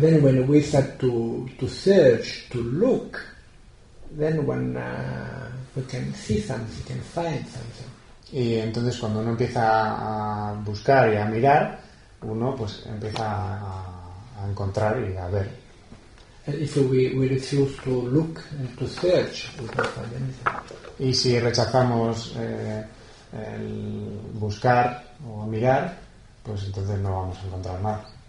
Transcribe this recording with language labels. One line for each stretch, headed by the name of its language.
English: Then when we start to search, to look, then when we can see something, can find something.
Spanish: Y entonces cuando uno empieza a buscar y a mirar, uno pues empieza a encontrar y a ver.
English: If we refuse to look and to search, we don't find anything.
Spanish: Y si rechazamos el buscar o mirar, pues entonces no vamos a encontrar nada.